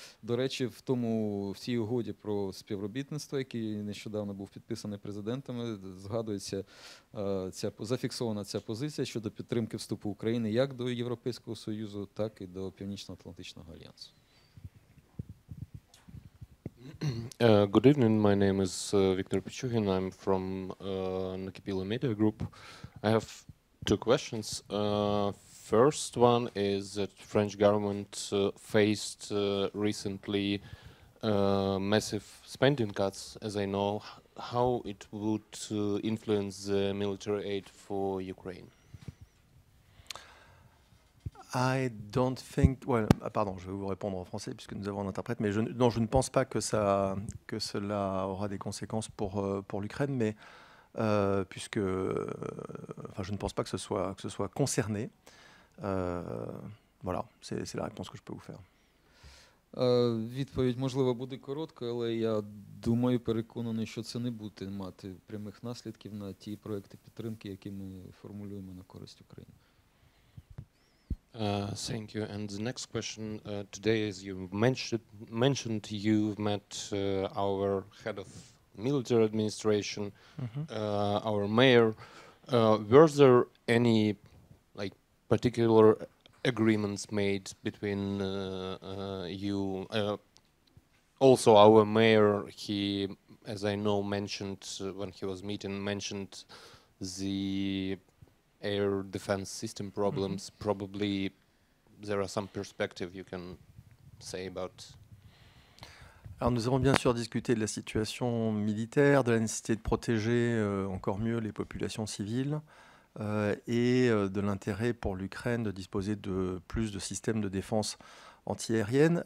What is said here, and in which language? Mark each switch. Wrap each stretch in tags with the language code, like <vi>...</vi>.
<uk>До речі, в цій угоді про співробітництво, який нещодавно був підписаний президентами, згадується зафіксована ця позиція щодо підтримки вступу України як до Європейського Союзу, так і до Північно-Атлантичного Альянсу.</uk> <en>Good evening, my name is Viktor Pichugin, I'm from Nakipilo Media Group. I have two questions. First one is that French government faced recently massive spending cuts, as I know. How it would influence the military aid for Ukraine? I don't think.</en> <fr>Well, pardon, je vais vous répondre en français puisque nous avons un interprète. Mais je ne pense pas que cela aura des conséquences pour l'Ukraine. Mais je ne pense pas que ce soit concerné. Voilà, c'est la réponse que je peux vous faire.</fr> <uk>Відповідь, можливо, буде короткою, але я думаю, переконаний, що це не буде мати прямих наслідків на ті проекти підтримки, які ми формулюємо на користь України.</uk> <en>Thank you. And the next question today, as you mentioned, you've met our head of military administration, our mayor. Were there any particular agreements made between you. Also, our mayor, he, as I know, mentioned when he was meeting, mentioned the air defense system problems. Mm-hmm. Probably there are some perspective you can say about.</en> <fr>Alors nous avons bien sûr discuté de la situation militaire, de la nécessité de protéger encore mieux les populations civiles et de l'intérêt pour l'Ukraine de disposer de plus de systèmes de défense antiaérienne.</fr>